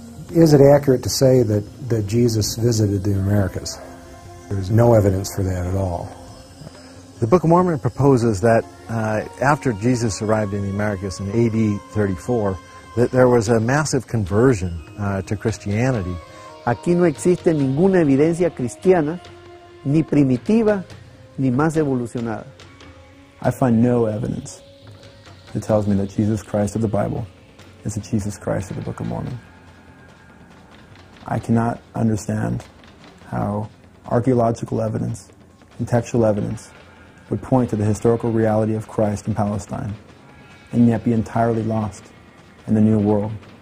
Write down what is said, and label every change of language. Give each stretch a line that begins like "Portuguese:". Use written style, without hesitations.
English: Is it accurate to say that Jesus visited the Americas? There's no evidence for that at all. The Book of Mormon proposes that after Jesus arrived in the Americas in AD 34, that there was a massive conversion to Christianity.
Spanish: Aquí no existe ninguna evidencia cristiana, ni primitiva, ni más evolucionada.
English: I find no evidence that tells me that Jesus Christ of the Bible is the Jesus Christ of the Book of Mormon. I cannot understand how archaeological evidence and textual evidence would point to the historical reality of Christ in Palestine and yet be entirely lost in the New World.